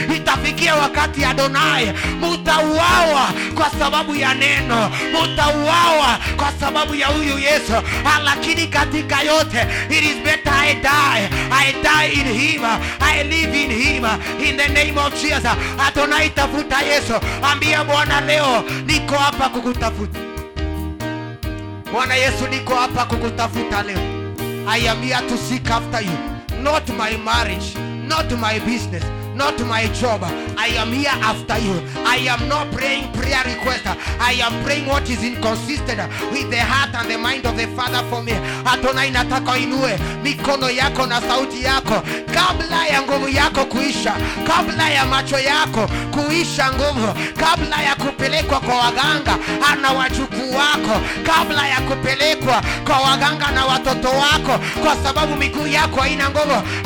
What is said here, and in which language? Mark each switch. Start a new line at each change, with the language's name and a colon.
Swahili: Itafikia wakati Adonai mutauawa kwa sababu ya neno, mutauawa kwa sababu ya huyu Yesu. Lakini katika yote,
English: it is better I die in him, I live in him, in the name of Jesus.
Swahili: Adonai tafuta Yesu, ambia Bwana leo niko hapa kukutafuta. Bwana Yesu niko hapa kukutafuta leo.
English: I am here to seek after you, not my marriage, not my business, not my job. I am here after you. I am not praying prayer request. I am praying what is inconsistent with the heart and the mind of the Father for me.
Swahili: Adonai nataka inue mikono yako na sauti yako kabla ya nguvu yako kuisha, kabla ya macho yako kuisha nguvu, kabla ya kupelekwa kwa waganga na wajukuu wako, kabla ya kupelekwa kwa waganga na watoto wako kwa sababu miguu yako haina nguvu.